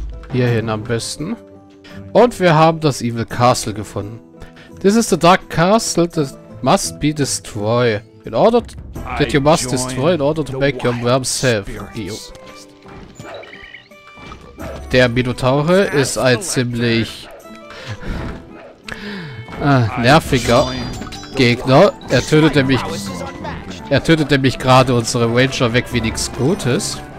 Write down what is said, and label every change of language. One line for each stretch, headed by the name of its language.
German: Hierhin am besten. Und wir haben das Evil Castle gefunden.
English: This is the Dark Castle that must be destroyed. In order that you must destroy in order to make your realm safe.
German: Der Minotaure ist ein ziemlich nerviger Gegner. Er tötet nämlich gerade unsere Ranger weg wie nichts Gutes.